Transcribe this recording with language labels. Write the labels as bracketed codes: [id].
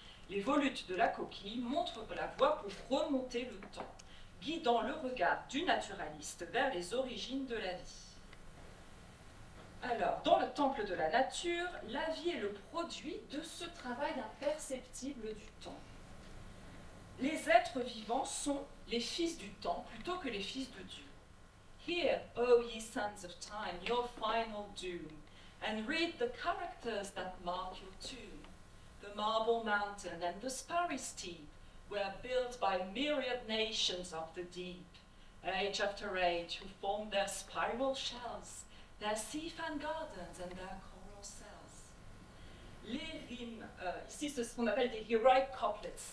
[fr] Les volutes de la coquille montrent la voie pour remonter le temps, guidant le regard du naturaliste vers les origines de la vie. Alors, dans le temple de la nature, la vie est le produit de ce travail imperceptible du temps. Les êtres vivants sont les fils du temps plutôt que les fils de Dieu. [en] Hear, O ye sons of time, your final doom, and read the characters that mark your tomb. The marble mountain and the sparry steep were built by myriad nations of the deep, age after age, who formed their spiral shells, their sea fan gardens and their coral cells. [fr] Les rimes, ici c'est ce qu'on appelle des heroic couplets.